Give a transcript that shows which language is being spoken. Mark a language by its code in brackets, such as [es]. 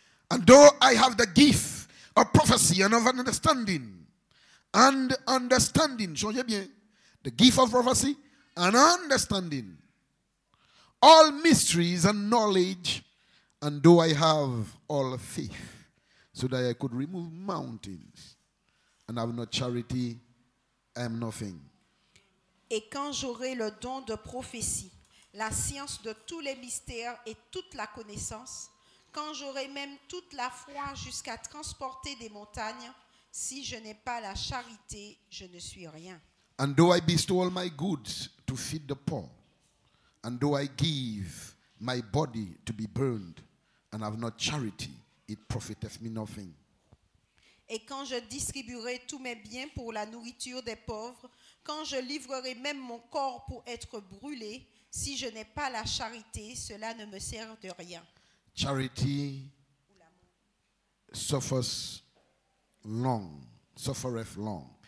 [en] And though I have the gift of prophecy and of understanding, [fr] changez bien, [en] the gift of prophecy and understanding, all mysteries and knowledge, and though I have all faith, so that I could remove mountains, and have no charity, I am nothing. [fr] Et quand j'aurai le don de prophétie, la science de tous les mystères et toute la connaissance, quand j'aurai même toute la foi jusqu'à transporter des montagnes, si je n'ai pas la charité, je ne suis rien. [en] And though I bestow all my goods to feed the poor, and though I give my body to be burned, and have not charity, it profiteth me nothing. [fr] Et quand je distribuerai tous mes biens pour la nourriture des pauvres, quand je livrerai même mon corps pour être brûlé, si je n'ai pas la charité, cela ne me sert de rien. [en] Charity suffers long, suffereth long.